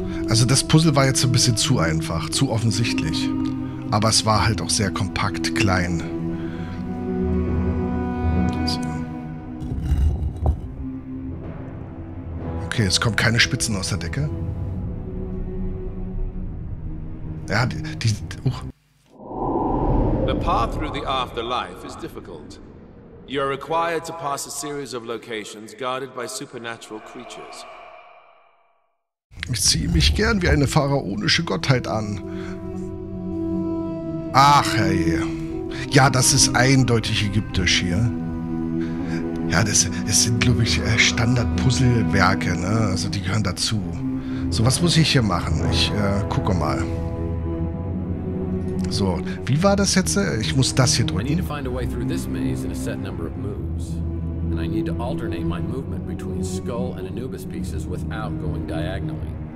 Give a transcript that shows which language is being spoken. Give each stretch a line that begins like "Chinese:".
German: Also das Puzzle war jetzt ein bisschen zu einfach, zu offensichtlich. Aber es war halt auch sehr kompakt, klein. So. Okay, es kommen keine Spitzen aus der Decke. Ja,
English: The path through the afterlife is difficult. You are required to pass a series of locations guarded by supernatural creatures.
German: Ich ziehe mich gern wie eine pharaonische Gottheit an. Ach, herrje. Ja, das ist eindeutig ägyptisch hier. Ja, das sind, glaube ich, Standard-Puzzle-Werke, ne? Also, die gehören dazu. So, was muss ich hier machen? Ich gucke mal. So, wie war das jetzt? Ich muss das hier drücken.
English: I need to find a way through this maze in a set number of moves. And I need to alternate my movement between Skull and Anubis pieces without going diagonally.